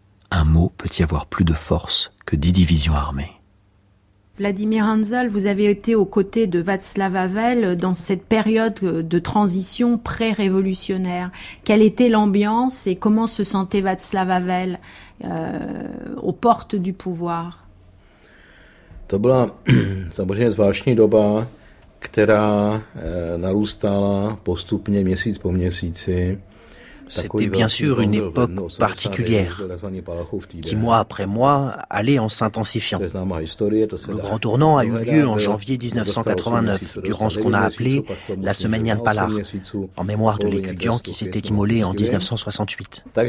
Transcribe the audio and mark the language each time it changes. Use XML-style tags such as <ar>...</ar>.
<fr>Un mot peut y avoir plus de force que 10 divisions armées. Vladimir Hanzel, vous avez été aux côtés de Václav Havel dans cette période de transition pré-révolutionnaire. Quelle était l'ambiance et comment se sentait Václav Havel aux portes du pouvoir?</fr> <cs>To byla samozřejmě zvláštní doba, která narůstala postupně měsíc po měsíci.</cs> <fr>C'était bien sûr une époque particulière, qui mois après mois allait en s'intensifiant. Le grand tournant a eu lieu en janvier 1989, durant ce qu'on a appelé la semaine Jan Palach, en mémoire de l'étudiant qui s'était immolé en 1968.</fr>